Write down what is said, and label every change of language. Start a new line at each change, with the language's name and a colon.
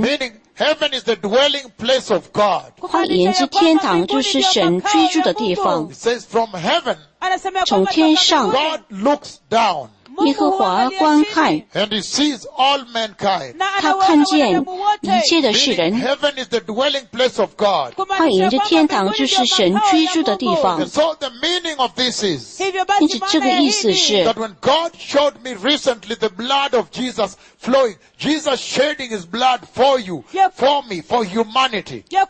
English: meaning heaven is the dwelling place of God.
Chinese: 换言之天堂就是神居住的地方。
English: It says from heaven,
Chinese: 从天上,
English: God looks down.
Chinese: 耶和华观看,
English: and he sees all mankind.
Chinese: 他看见一切的世人,
English: meaning heaven is the dwelling place of God.
Chinese: 换言之天堂就是神居住的地方。
English: And so the meaning of this is,
Chinese: 因此这个意思是,
English: that when God showed me recently the blood of Jesus flowing, Jesus shedding his blood for you, for me, for humanity.